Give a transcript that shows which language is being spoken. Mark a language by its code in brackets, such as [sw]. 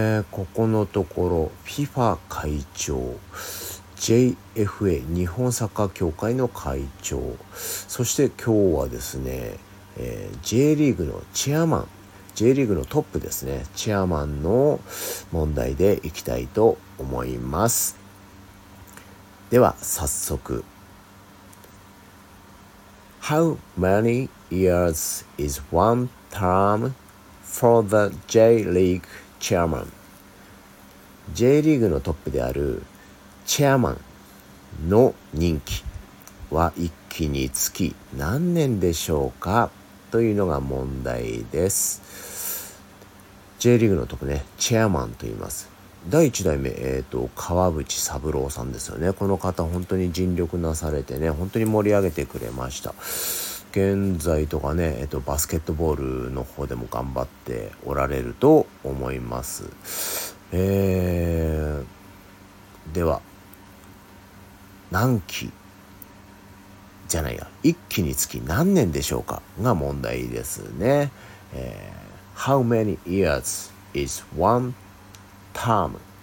[ja] ここのところ FIFA 会長、JFA 日本サッカー協会の会長、そして今日はですね、J リーグのチェアマン、 J リーグのトップですね、チェアマンの問題でいきたいと思います。では早速、 [en] How many years is one term for the J League chairman? [ja] J リーグのトップであるチェアマンの任期は一期につき何年でしょうか、というのが問題です。 J リーグのトップね、チェアマンと言います。第一代目、川淵三郎さんですよね。この方本当に尽力なされてね、本当に盛り上げてくれました。現在とかね、バスケットボールの方でも頑張っておられると思います。では何期じゃないや、一期につき何年でしょうかが問題ですね。 [en] How many years is one term?